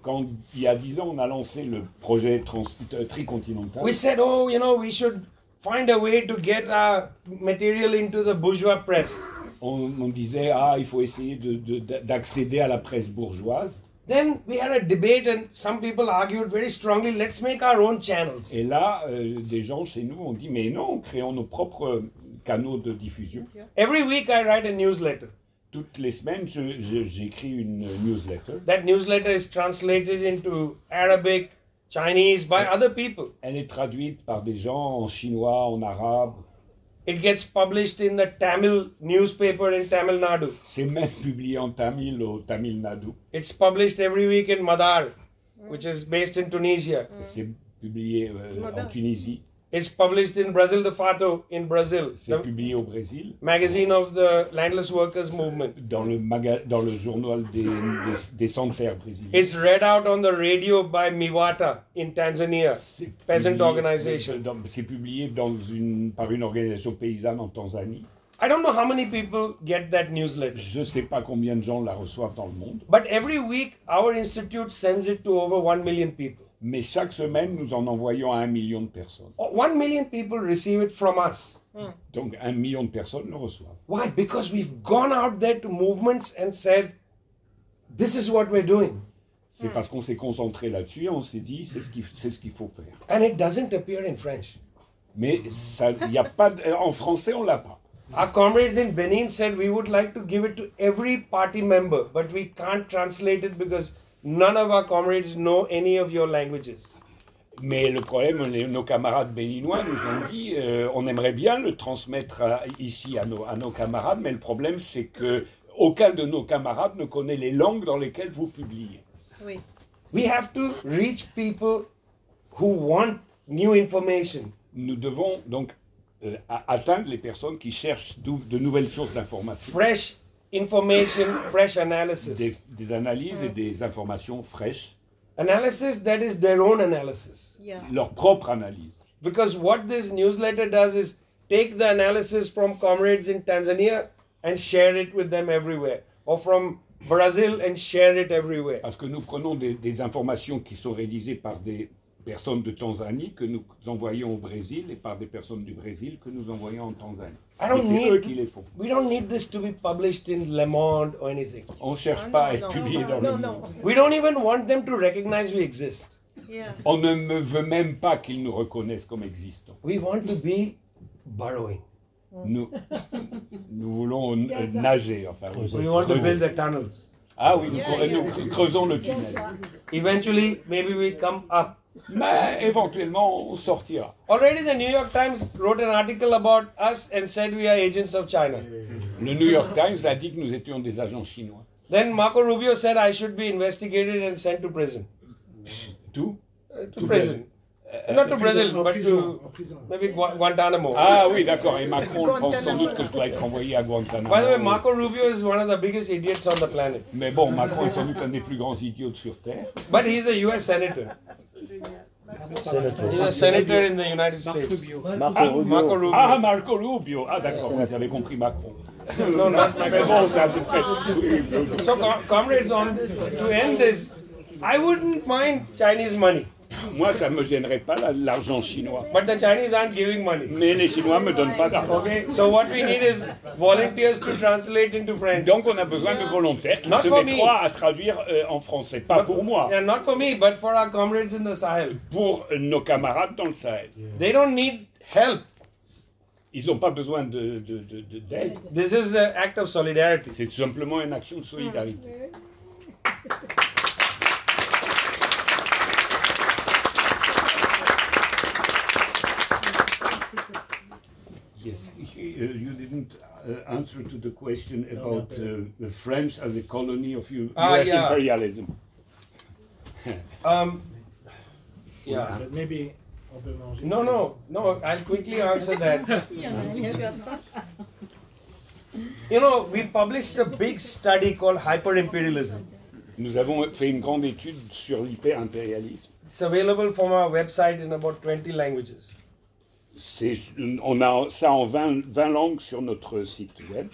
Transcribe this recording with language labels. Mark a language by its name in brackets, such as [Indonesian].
[French] quand il y a 10 ans, on a lancé le projet tricontinental. [English] We said, oh, you know, we should find a way to get our material into the bourgeois press. [French] On disait, il faut essayer d'accéder à la presse bourgeoise. [English] Then we had a debate and some people argued very strongly, let's make our own channels. [French] Et là, des gens chez nous ont dit, mais non, créons nos propres canaux de diffusion. [English] Every week I write a newsletter. [French] Toutes les semaines, j'écris une newsletter. [English] That newsletter is translated into Arabic, Chinese, by other people. [French] Elle est traduite par des gens en chinois, en arabe. [English] It gets published in the Tamil newspaper in Tamil Nadu. [French] C'est même publié en Tamil au Tamil Nadu. [English] It's published every week in Madar, which is based in Tunisia. [French] C'est publié en Tunisie. [English] It's published in Brazil, the Fato in Brazil. [French] C'est publié au Brésil. [English] Magazine of the Landless Workers Movement. [French] Dans le journal des sans-terre brésiliens. [English] It's read out on the radio by Miwata in Tanzania, peasant organization. [French] C'est publié par une organisation paysanne en Tanzanie. [English] I don't know how many people get that newsletter. [French] Je sais pas combien de gens la reçoivent dans le monde. [English] But every week, our institute sends it to over 1 million people. [French] Mais chaque semaine, nous en envoyons à 1 million de personnes. [English] 1 million people receive it from us. [French] Donc 1 million de personnes le reçoivent. [English] Why? Because we've gone out there to movements and said, this is what we're doing. [French] C'est parce qu'on s'est concentré là-dessus et on s'est dit, c'est ce qu'il faut faire. [English] And it doesn't appear in French. [French] Mais ça, y a pas de, en français, on l'a pas. [English] Our comrades in Benin said, we would like to give it to every party member, but we can't translate it because... None of our comrades know any of your languages. [French] Mais le problème, nos camarades béninois nous ont dit, on aimerait bien le transmettre ici à nos camarades, mais le problème, c'est que aucun de nos camarades ne connaît les langues dans lesquelles vous publiez. Oui. [English] We have to reach people who want new information. [French] Nous devons donc atteindre les personnes qui cherchent de nouvelles sources d'information. [English] Fresh. Information, fresh analysis. [French] Des analyses et des informations fraîches. [English] Analysis that is their own analysis. Yeah. [French] Leur propre analyse. [English] Because what this newsletter does is take the analysis from comrades in Tanzania and share it with them everywhere. Or from Brazil and share it everywhere. [French] Parce que nous prenons des informations qui sont rédigées par des personnes de Tanzanie que nous envoyons au Brésil et par des personnes du Brésil que nous envoyons en Tanzanie. [English] I don't [French] c'est [English] need, [French] eux qui les font. [English] We don't need this to be published in Le Monde or anything. [French] On cherche pas à être publié dans Le Monde. [English] We don't even want them to recognize we exist. Yeah. [French] On ne veut même pas qu'ils nous reconnaissent comme existants. [English] We want to be burrowing. [French] Nous voulons nager, enfin. [English] We want to build the tunnels. [French] Ah oui, nous creusons le tunnel. [English] Eventually, maybe we come up. [French] Mais éventuellement, on sortira. [English] Already the New York Times wrote an article about us and said we are agents of China. [French] Le New York Times a dit que nous étions des agents chinois. [English] Then Marco Rubio said I should be investigated and sent to prison. To prison. Not to Brazil, but prison, to maybe Guantanamo. [French] Ah oui, d'accord. Et Macron pense sans doute que je dois être envoyé à Guantanamo. [English] By the way, Marco Rubio is one of the biggest idiots on the planet. [French] Mais bon, Macron est sans doute un des plus grands idiots sur Terre. [English] But he's a U.S. senator. Senator. He's a senator in the United States. Marco Rubio. [French] Ah, Marco Rubio. Ah, d'accord. Vous avez compris Macron. [English] No, not Macron. So, comrades, to end this, I wouldn't mind Chinese money. [French] Moi, ça ne me gênerait pas l'argent chinois. [English] But the Chinese aren't giving money. [French] Mais les Chinois ne me donnent pas d'argent. [English] Okay. So what we need is volunteers to translate into French. [French] Donc on a besoin de volontaires qui [English] not [French] se mettent droit à traduire en français. Pas [English] but, [French] pour moi. [English] Yeah, not for me, but for our comrades in the Sahel. [French] Pour nos camarades dans le Sahel. Yeah. [English] They don't need help. [French] Ils n'ont pas besoin d'aide. [English] This is an act of solidarity. [French] C'est simplement une action de solidarité. [English] You didn't answer to the question about the French as a colony of U.S. Yeah. imperialism. yeah. But maybe... No, I'll quickly answer that. You know, we published a big study called Hyper-Imperialism. [French] Nous avons fait une grande étude sur l'hyper-impérialisme. [English] It's available from our website in about 20 languages. [French] On a ça en 20 langues sur notre site web.